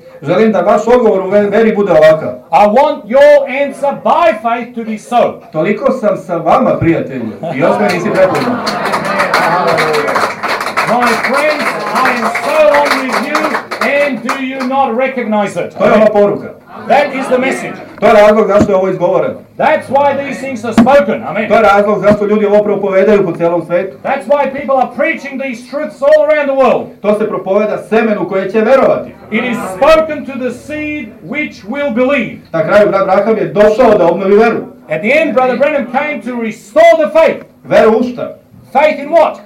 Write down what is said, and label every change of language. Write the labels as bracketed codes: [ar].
[sr] Želim da vaš odgovor u veri bude ovakav. [en] I want your answer by faith to be so. [sr] Toliko sam sa vama, prijatelji, i još me nisi prepoznao. [en] My friends, I am so long with you and do you not recognize it? [sr] To je ova poruka. [en] That is the message. [sr] To je razlog zašto je ovo izgovoreno. [en] That's why these things are spoken. Amen. [sr] To je razlog zašto ljudi ovo propovedaju po celom svetu. [en] That's why people are preaching these truths all around the world. [sr] To se propoveda semenu koje će verovati. [en] It is spoken to the seed which will believe. [sr] Na kraju brat Branham je došao da obnovi veru. [en] At the end brother Branham came to restore the faith. [sr] Veru u šta? [en] Faith in what?